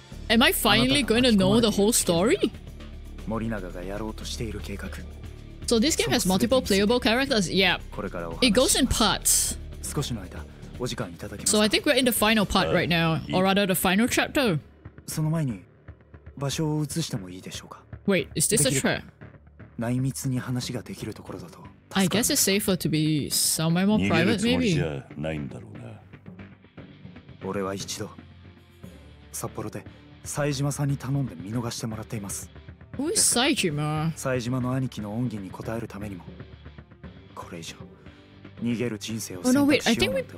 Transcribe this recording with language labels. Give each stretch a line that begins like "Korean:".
English: Am I finally going to know the whole story?
Japanese: モリナガがやろうとしている計画。
English: So this game has multiple playable characters? Yeah. It goes in parts.
Japanese: 少しの間、お時間いただけますか?
English: So I think we're in the final part right now. Or rather the final chapter.
Japanese: その前に、場所を移してもいいでしょうか?
English: Wait, is this a trap?
Japanese: 内密に話ができるところだと。
English: I guess it's safer to be somewhere more private, maybe.
Japanese: 逃げるつもりじゃないんだろうな。俺は一度。札幌で西島さんに頼んで見逃してもらっています。
English: Who is 西島?
Japanese: 西島の兄貴の恩義に応えるためにもこれ以上逃げる人生を選択しようなんて思いません。